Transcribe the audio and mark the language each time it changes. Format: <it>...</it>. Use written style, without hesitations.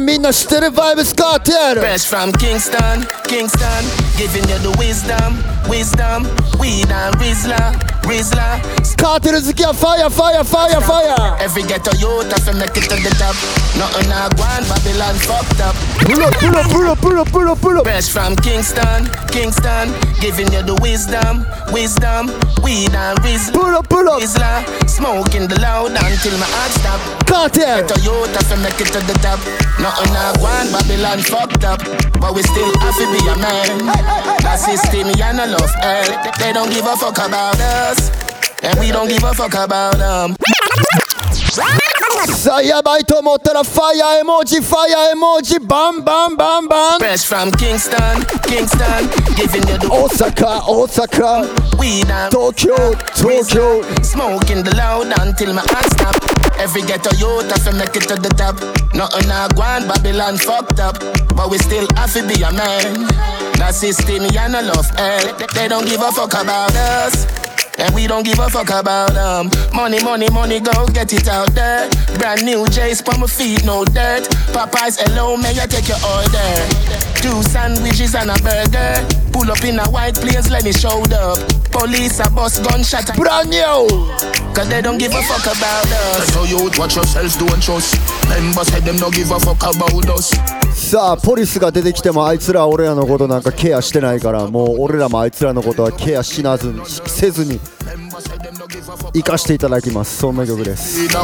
<ja>みんな知ってるバイブスカーテル。</ja> <en>Fresh from Kingston, Kingston, giving you the wisdom, wisdom, weed and Rizla, Rizla.</en> <ja>カーテル好きはファイヤーファイヤーファイヤーファイヤー。</ja> <en>Every ghetto youth has to make it to the top. Nothing a gone, Babylon fucked up. Pull up, pull up, pull up, pull up, pull up, pull up. Fresh from Kingston, Kingston, giving you the wisdom, wisdom, weed and Rizla. Pull up, pull up, Rizla, smoking the loud until my heart stop. Cartel. Ghetto youth has to make it to the top. Nothing a gone, Babylon fucked up. But we still have to be a man. The system and the love, hey. They don't give a fuck about us. And we don't give a fuck about them.</en> <ja>さあやばいと思ったらファイアエモージファイアエモージバンバンバンバン。</ja> <en>Fresh from Kingston, Kingston, giving you the</en> <ja>大阪大阪</ja> <en>We down</en> <ja>東京東京</ja> <en>Smoking the loud until my heart stop. Every ghetto youth have to make it to the top. Nothing a gone, Babylon fucked up. But we still have to be a man. The system ya no love, eh. They don't give a fuck about us. And we don't give a fuck about them. Money, money, money, go get it out there. Brand new J's, put my feet, no dirt. Popeyes, hello, may I take your order? Two sandwiches and a burger. Pull up in a white place, let me show up. Police, a bus, gunshot, brand new. Cause they don't give a fuck about us. Tell your youth, watch yourselves, don't trust. Members said them don't give a fuck about us.</en> <ja>さあポリスが出てきてもあいつら俺らのことなんかケアしてないから、もう俺らもあいつらのことはケアしなずにせずに生かしていただきます。そんな曲です。</ja>